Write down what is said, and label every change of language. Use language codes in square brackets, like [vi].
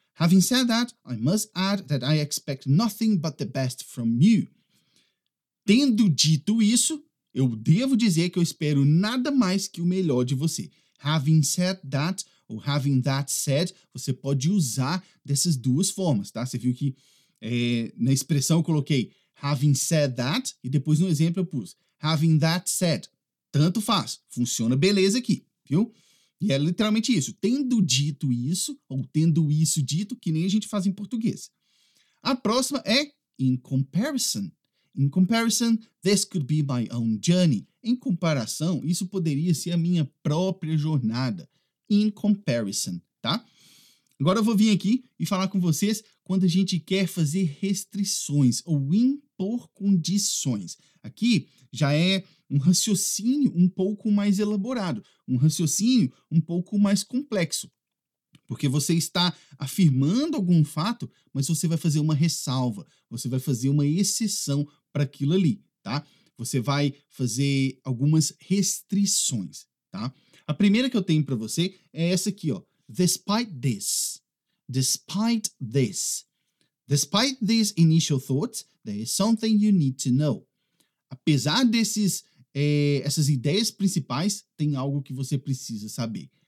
[en] Having said that, I must add that I expect nothing but the best from you. [pt] Tendo dito isso, eu devo dizer que eu espero nada mais que o melhor de você. [en] Having said that, [pt] ou [en] having that said, [pt] você pode usar dessas duas formas, tá? Você viu que na expressão eu coloquei [en] having said that, [pt] e depois no exemplo eu pus [en] having that said. [pt] Tanto faz, funciona beleza aqui, viu? E é literalmente isso, tendo dito isso, ou tendo isso dito, que nem a gente faz em português. A próxima é in comparison. [en] In comparison, this could be my own journey. [pt] Em comparação, isso poderia ser a minha própria jornada. [en] In comparison, [pt] tá? Agora eu vou vir aqui e falar com vocês quando a gente quer fazer restrições ou impor condições. Aqui já é um raciocínio um pouco mais elaborado, um raciocínio um pouco mais complexo. Porque você está afirmando algum fato, mas você vai fazer uma ressalva, você vai fazer uma exceção para aquilo ali, tá? Você vai fazer algumas restrições, tá? A primeira que eu tenho para você é essa aqui, ó. [en] Despite this. Despite this. Despite these initial thoughts, there is something you need to know. [pt] Apesar desses, essas ideias principais, tem algo que você precisa saber.